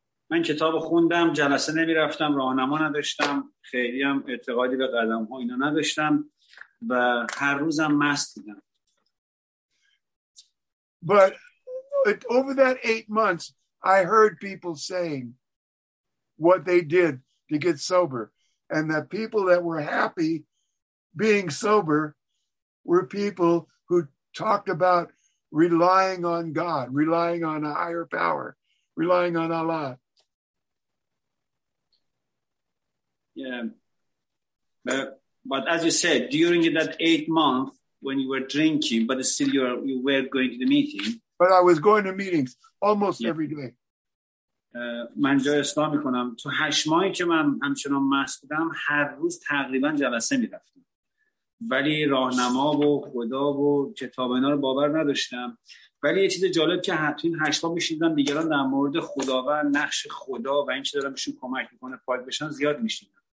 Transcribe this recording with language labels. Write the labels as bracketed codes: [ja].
[fa] من کتاب خوندم، جلسه نمی رفتم، راهنما نداشتم، خیلی هم اعتقادی به قدم ها اینا نداشتم و هر روزم مست بودم. [en] But over that 8 months, I heard people saying what they did to get sober, and that people that were happy being sober were people who talked about relying on God, relying on a higher power, relying on Allah. Yeah, but as you said, during that 8 months when you were drinking, but still you were going to the meeting. But I was going to meetings almost every day. [fa] من جای اصلاح میکنم تو 8 ماهی که من همچنان مست بودم هر روز تقریبا جلسه میرفتم، ولی راهنما و خدا و کتاب اینا رو باور نداشتم. ولی یه چیز جالب که حتی این 8 ماه میشیدم دیگران در مورد خدا و نقش خدا و این چه دارم بهشون کمک میکنه پاید بشن زیاد میشیدم.